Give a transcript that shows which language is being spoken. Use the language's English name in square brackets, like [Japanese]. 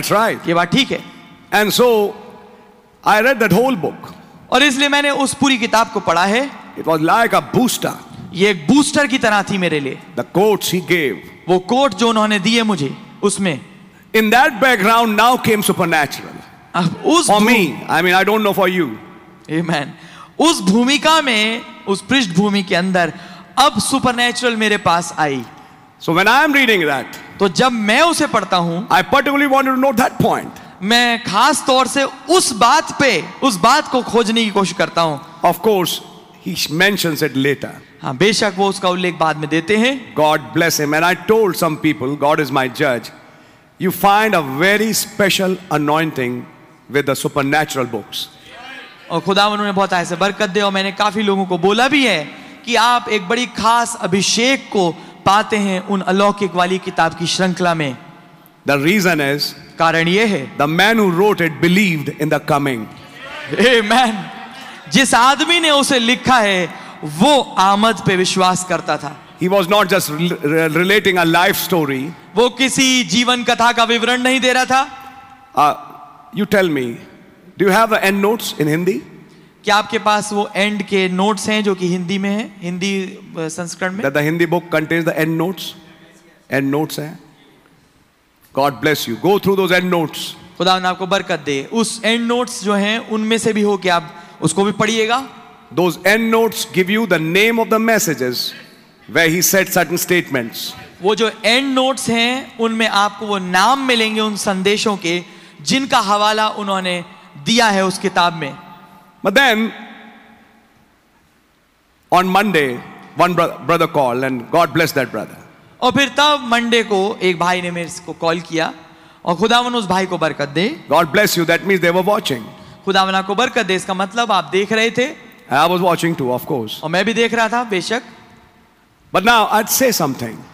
[English] That's right. [Hindi] ये बात ठीक है. [English] And so I read that whole book. [Hindi] और इसलिए मैंने उस पूरी किताब को पढ़ा है. [English] It was like a booster. [Hindi] ये एक बूस्टर की तरह थी मेरे लिए. [English] The quotes he gave. [Hindi] वो कोट जो उन्होंने दिए मुझे उसमें. [English] In that background now came supernatural. For me, I mean I don't know for you. Amen. [Hindi] उस भूमिका में उस पृष्ठभूमि के अंदर अब supernatural मेरे पास आई. [English] So when I am reading that, [Hindi] तो जब मैं उसे पढ़ता हूँ, [English] I particularly wanted to know that point. [Hindi] मैं खास तौर से उस बात पे, उस बात को खोजने की कोशिश करता हूँ. [English] Of course, he mentions it later. [Hindi] हाँ, बेशक वो उसका उल्लेख बाद में देते हैं. [English] God bless him, and I told some people, God is my judge. You find a very special anointing with the supernatural books. [Hindi] और खुदावन ने बहुत ऐसे बरकत दे और मैंने काफी लोगों को बोला भी है कि आप एक बड़ी खास अभिषेक को पाते हैं उन अलौकिक वाली किताब की श्रृंखला में. [English] The reason is, [Hindi] कारण ये है, [English] the man who wrote it believed in the coming. Amen. [Hindi] जिस आदमी ने उसे लिखा है वो आमद पे विश्वास करता था. [English] He was not just relating a life story. [Hindi] वो किसी जीवन कथा का विवरण नहीं दे रहा था. [English] You tell me, do you have the end notes in Hindi? [Hindi] क्या आपके पास वो एंड के नोट्स हैं जो कि हिंदी में है, हिंदी संस्करण में? [English] That the Hindi book contains the end notes. End notes हैं. God bless you. Go through those end notes. [Hindi] खुदा ने आपको बरकत दे. उस एंड नोट्स जो हैं, उनमें से भी हो कि आप उसको भी पढ़िएगा. [English] Those end notes give you the name of the messages where he said certain statements. [Hindi] वो जो एंड नोट्स हैं, उनमें आपको वो नाम मिलेंगे उन संदेशों के जिनका हवाला उन्होंने दिया है उस किताब में. [English] But then, On Monday, one brother called and God blessed that brother. [Hindi] और फिर तब मंडे को एक भाई ने मेरे को कॉल किया और खुदावन उस भाई को बरकत दे. [English] God bless you. That means they were watching. [Hindi] खुदावन को बरकत दे इसका मतलब आप देख रहे थे. [English] I was watching too, of course. [Hindi] और मैं भी देख रहा था बेशक. [English] But now I'd say something.